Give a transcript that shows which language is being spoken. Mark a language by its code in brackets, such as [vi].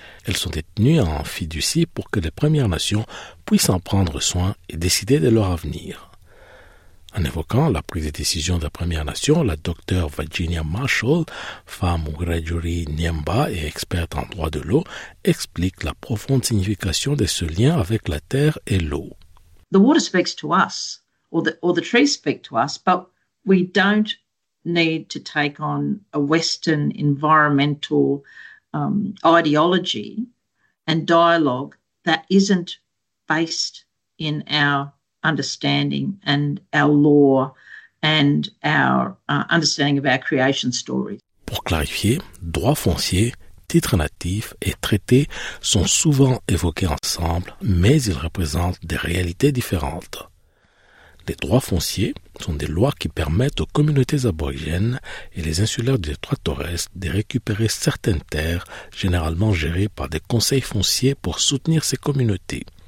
[fr] Elles sont détenues en fiducie pour que les Premières Nations puissent en prendre soin et décider de leur avenir. En évoquant la prise de décision de la Première Nation, la docteure Virginia Marshall, femme Wiradjuri Nyemba et experte en droit de l'eau, explique la profonde signification de ce lien avec la terre et l'eau. [en] The water speaks to us, or the trees speak to us, but we don't need to take on a Western environmental ideology and dialogue that isn't based in our understanding and our law and our understanding of our creation stories. [fr] Pour clarifier, droits fonciers, titres natifs et traités sont souvent évoqués ensemble, mais ils représentent des réalités différentes. Les droits fonciers sont des lois qui permettent aux communautés aborigènes et les insulaires du détroit de Torres de récupérer certaines terres, généralement gérées par des conseils fonciers pour soutenir ces communautés.